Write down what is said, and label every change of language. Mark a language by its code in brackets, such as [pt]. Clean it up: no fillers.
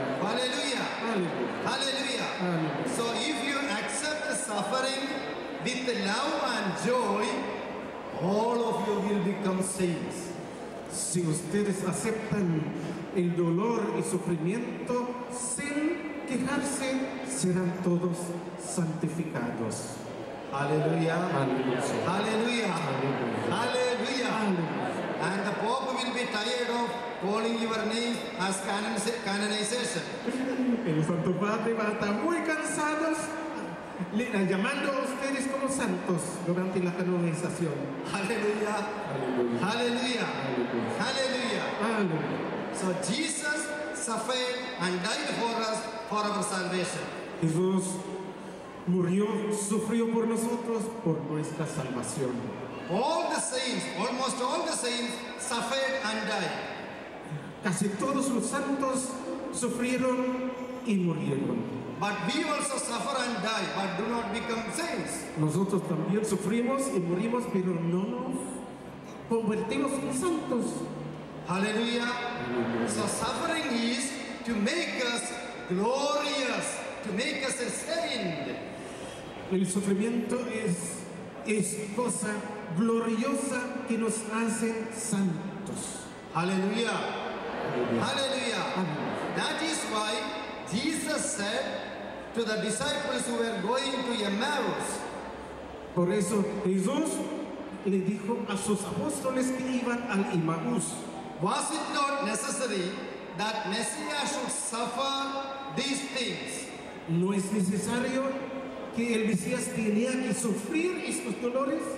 [en] So if you accept the suffering with love and joy, all of you will become saints. [es] Si ustedes aceptan el dolor y sufrimiento sin quejarse, serán todos santificados. Aleluya. Aleluya. Aleluya. [en] And the Pope will be tired of calling your name as canonization. [es] El Santo Padre va a estar muy cansado llamando a ustedes como santos durante la canonización. Aleluya. Aleluya. Aleluya. Aleluya. [en] So Jesus suffered and died for us for our salvation. [es] Jesús murió, sufrió por nosotros, por nuestra salvación. [en] All the saints, almost all the saints, suffered and died. [es] Casi todos los santos sufrieron y murieron. [en] But we also suffer and die, but do not become saints. [es] Nosotros también sufrimos y morimos, pero no nos convertimos en santos. [en] Hallelujah. So suffering is to make us glorious, to make us a saint. [es] El sufrimiento es cosa gloriosa que nos hace santos. Aleluya. Aleluya. [en] That is why Jesus said to the disciples who were going to Emmaus. [es] Por eso Jesús le dijo a sus apóstoles que iban al Emmaus. [en] Was it not necessary that Messiah should suffer these things? [es] No es necesario que el Mesías tenía que sufrir estos dolores.